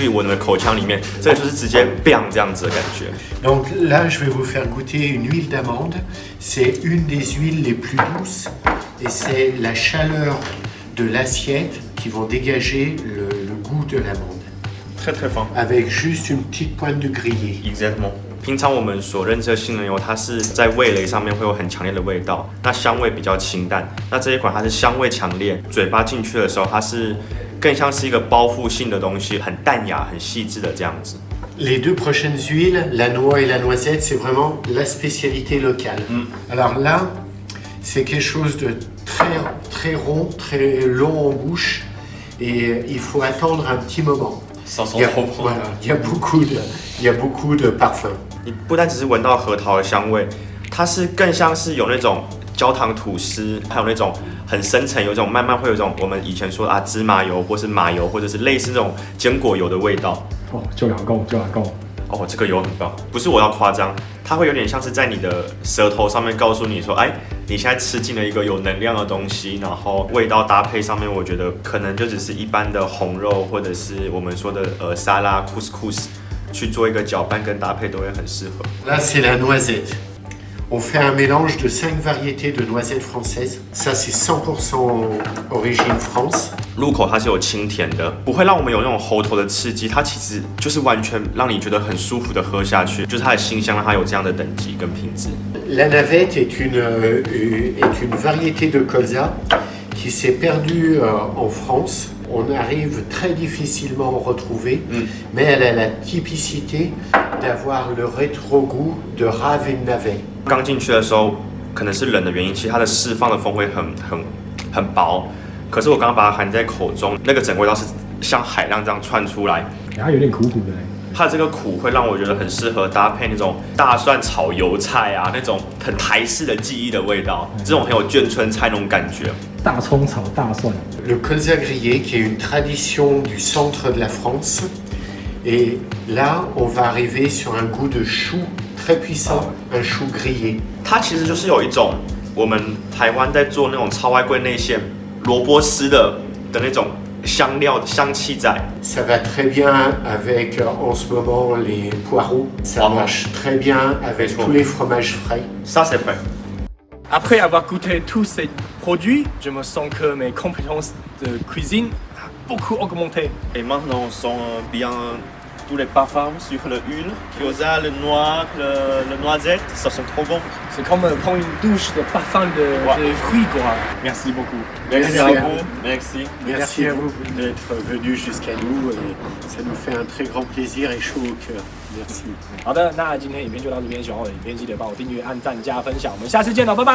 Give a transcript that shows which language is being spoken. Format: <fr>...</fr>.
<zh>刺激感是直接显现出来，不像刚刚那个是很柔的进去我的口腔里面，这个就是直接砰这样子的感觉。</zh> <fr>Donc là, je vais vous faire goûter une huile d'amande. C'est une des huiles les plus douces et c'est la chaleur de l'assiette qui vont dégager le goût de l'amande. très très fin. Avec juste une petite pointe de grillé. Exactement.</fr> <zh>平常我们所认知的杏仁油，它是在味蕾上面会有很强烈的味道，那香味比较清淡。那这一款它是香味强烈，嘴巴进去的时候，它是更像是一个包覆性的东西，很淡雅、很细致的这样子。</zh> <fr>Les deux prochaines huiles, la noix et la noisette, c'est vraiment la spécialité locale. Alors là, c'est quelque chose de très, très rond, très long en bouche, et il faut attendre un petit moment. Ça sent trop bon. Voilà, il y a beaucoup de parfum.</fr> <zh>你不但只是闻到核桃的香味，它是更像是有那种焦糖吐司，还有那种很深层，有一种慢慢会有一种我们以前说的啊芝麻油，或是马油，或者是类似那种坚果油的味道。哦，就两够哦，这个油很棒，不是我要夸张，它会有点像是在你的舌头上面告诉你说，哎，你现在吃进了一个有能量的东西，然后味道搭配上面，我觉得可能就只是一般的红肉或者是我们说的沙拉 couscous 去做一个搅拌跟搭配都会很适合。</zh> <fr>Là c'est la noisette. On fait un mélange de 5 variétés de noisettes françaises. Ça c'est 100% origine France.</fr> <zh>入口它是有清甜的，不会让我们有那种喉头的刺激，它其实就是完全让你觉得很舒服的喝下去，就是它的馨香让它有这样的等级跟品质。</zh> <fr>La navette est une variété de colza qui s'est perdue en France. On arrive très difficilement à retrouver, mais elle a la typicité d'avoir le rétro-goût de rave et navette.</fr> <zh>刚进去的时候，可能是冷的原因，其实它的释放的风味很薄。可是我刚刚把它含在口中，那个整个味道是像海浪这样串出来，它有点苦苦的。它这个苦会让我觉得很适合搭配那种大蒜炒油菜啊，那种很台式的记忆的味道，这种很有眷村菜那种感觉。大葱炒大蒜。</zh> <fr>Le colza grillé qui est une tradition du centre de la France, et là on va arriver sur un goût de chou très puissant, un chou grillé.</fr> <zh>它其实就是有一种我们台湾在做那种超外柜内馅。萝卜丝的那种香料香气在。</zh> <fr>Ça va très bien avec en ce moment les poireaux. Ça marche très bien avec tous les fromages frais. Ça c'est vrai. Après avoir goûté tous ces produits, je me sens que mes compétences de cuisine ont beaucoup augmenté. Et maintenant, on sent bien tous les parfums sur le huile, gyoza, le noir, le noisette. Ça sent trop bon. C'est comme prendre une douche de parfum de fruits, quoi. Merci beaucoup. Merci à vous. Merci à vous d'être venu jusqu'à nous. Et ça nous fait un très grand plaisir et chaud au cœur. Merci.</fr> <zh>好的，那今天影片就到这边。喜欢我的影片，记得帮我订阅、按赞、加分享。我们下次见了，拜拜。</zh>